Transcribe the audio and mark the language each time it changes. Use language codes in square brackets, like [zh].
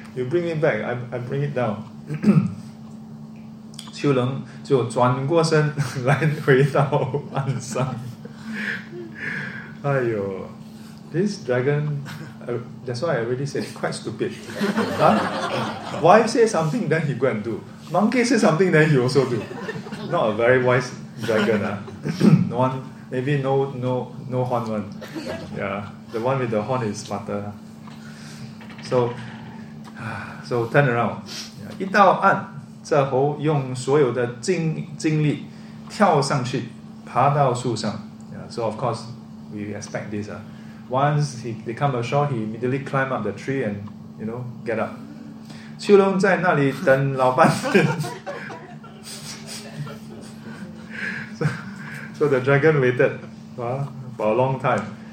[en] You bring it back, I bring it down. [zh] 秋龙就转过身来回到岸上。 [en] 哎呦， this dragon... that's why I already said quite stupid. Wife say something, then he go and do. Monkey say something, then he also do. Not a very wise dragon. No one, maybe no horn one. Yeah, the one with the horn is smarter. So turn around. [zh] 一到岸，这猴用所有的精力跳上去，爬到树上。 [en] Yeah, so of course, we expect this. Once they come ashore, he immediately climb up the tree and, you know, get up. [zh] 秋龙在那里等老半天。 [en] So the dragon waited for a long time.